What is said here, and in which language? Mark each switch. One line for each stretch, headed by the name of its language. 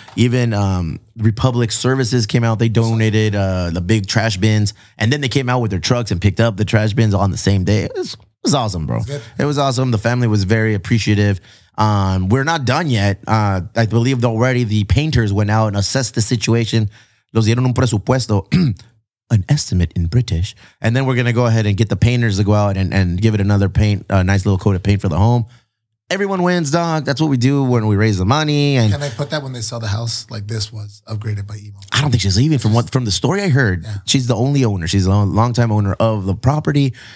English: Even Republic Services came out. They donated the big trash bins. And then they came out with their trucks and picked up the trash bins on the same day. It was awesome, bro. It was awesome. The family was very appreciative. We're not done yet. I believe already the painters went out and assessed the situation.
Spanish: Los dieron un presupuesto,
English: an estimate in British. And then we're going to go ahead and get the painters to go out and give it another paint, a nice little coat of paint for the home. Everyone wins, dog. That's what we do when we raise the money. And can they put that when they sell the house? Like, this was upgraded by Emo. I don't think she's leaving. From the story I heard, she's the only owner. She's a longtime owner of the property.